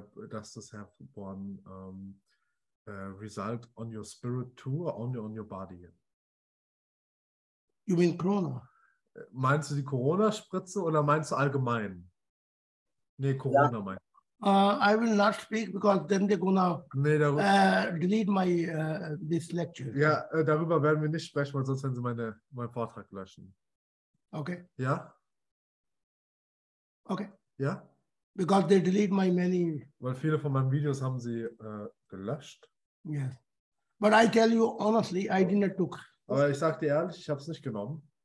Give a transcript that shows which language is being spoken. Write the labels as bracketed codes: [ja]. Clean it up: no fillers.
[en] Does this have one result on your spirit too, or only on your body? You mean Corona? [de] Meinst du die Corona-Spritze oder meinst du allgemein? Nee, Corona meinst du. [en] I will not speak because then they're gonna delete my this lecture. [de] Ja, darüber werden wir nicht sprechen, weil sonst werden sie meinen Vortrag löschen. [en] Okay. [de] Ja? Yeah? [en] Okay. [de] Ja? Yeah? [en] Because they delete my many. [de] Weil viele von meinen Videos haben sie gelöscht. [en] Yes, but I tell you honestly, I did not took. [de] Aber ich sag dir ehrlich, ich habe es nicht genommen.